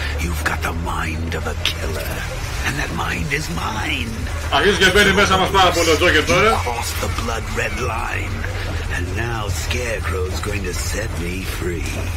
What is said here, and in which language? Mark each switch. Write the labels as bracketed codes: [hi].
[en] You've got the mind of a killer, and that mind is mine. [el] Αρχίζει και μπαίνει μέσα μας πάρα πολύ ο Τζόκερ τώρα. [en] You crossed the blood red line, and now Scarecrow's going to set me free.